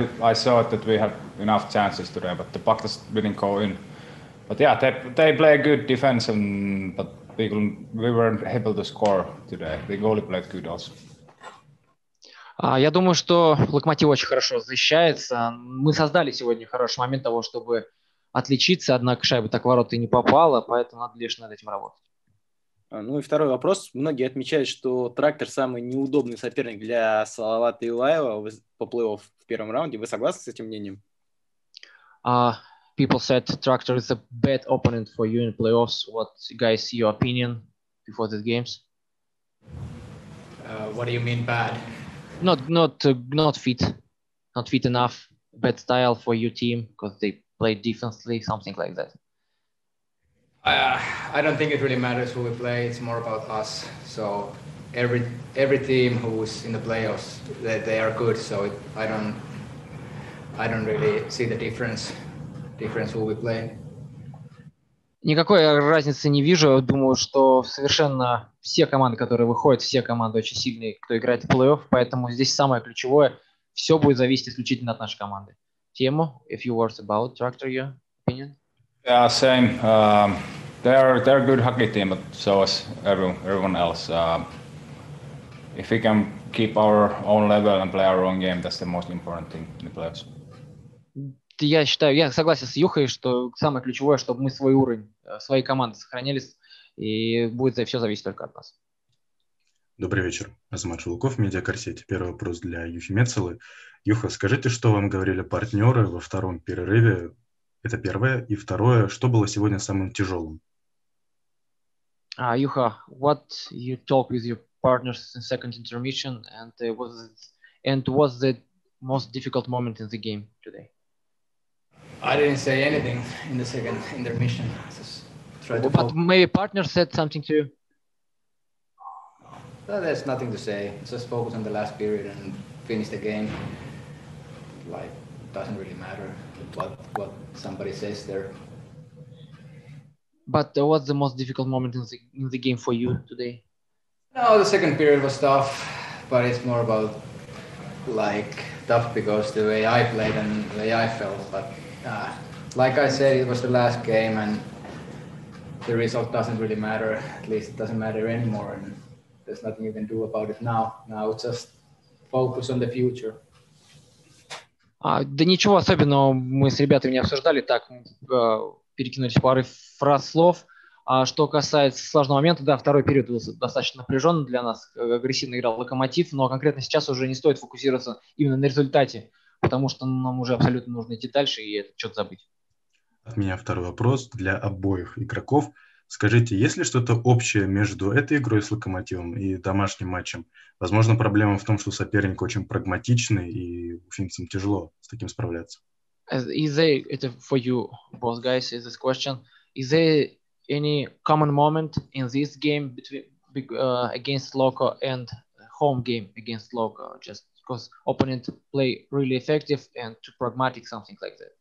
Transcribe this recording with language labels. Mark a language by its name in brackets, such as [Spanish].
[English] I saw that we have enough chances today, but the puck didn't go in. But yeah, they play good defense, but we weren't able to score today. The goalie played good also. [Russian] Я думаю, что Локомотив очень хорошо защищается. Мы создали сегодня хороший момент того, чтобы отличиться, однако шайба так в ворота и не попала, поэтому надо лишь над этим работать. Ну и второй вопрос. Многие отмечают, что Трактор самый неудобный соперник для Салавата Юлаева по плей-офф в первом раунде. Вы согласны с этим мнением? [English] People said Трактор is a bad opponent for you in playoffs. What, guys, your opinion before these games? What do you mean bad? Not fit enough, bad style for your team because they play defensively, something like that. I don't think it really matters who we play. It's more about us. So every team who's in the playoffs, they are good. So I don't really see the difference who we play. [Russian] Никакой разницы не вижу. Думаю, что совершенно все команды, которые выходят, все команды очень сильные, кто играет в плей-офф. Поэтому здесь самое ключевое. Все будет зависеть исключительно от нашей команды. [English] Тему, a few words about Tractor, your opinion? Yeah, same. They're a good hockey team, but so is everyone else. If we can keep our own level and play our own game, that's the most important thing in the playoffs. [Russian] Я считаю, я согласен с Юхой, что самое ключевое, чтобы мы свой уровень, свои команды сохранили, и будет все зависеть только от нас. Добрый вечер. Азамат Шулуков, Медиакорсет. Первый вопрос для Юхи Мецелы. Юха, скажите, что вам говорили партнеры во втором перерыве? Это первое. И второе, что было сегодня самым тяжелым? [English] Юха, what you talk with your partners in second intermission, and was the most difficult moment in the game today? I didn't say anything in the second intermission. Maybe partner said something to you. Well, there's nothing to say. Just focus on the last period and finish the game. Like, doesn't really matter what somebody says there. But what's the most difficult moment in the game for you today? No, the second period was tough, but it's more about like tough because the way I played and the way I felt, but. Like I said, it was the last game, and the result doesn't really matter. At least it doesn't matter anymore, and there's nothing you can do about it now. Now just focus on the future. [Russian] Да ничего особенного мы с ребятами не обсуждали, так перекинулись пары фраз слов. А что касается сложного момента, да, второй период был достаточно напряженный для нас, агрессивно играл Локомотив, но конкретно сейчас уже не стоит фокусироваться именно на результате. Потому что нам уже абсолютно нужно идти дальше и этот счет забыть. От меня второй вопрос для обоих игроков. Скажите, есть ли что-то общее между этой игрой с Локомотивом и домашним матчем? Возможно, проблема в том, что соперник очень прагматичный и финцам тяжело с таким справляться. Это [English] for you both guys is this question. Is there any common moment in this game against Loco and home game against Loco? Just because opponent play really effective and too pragmatic, something like that.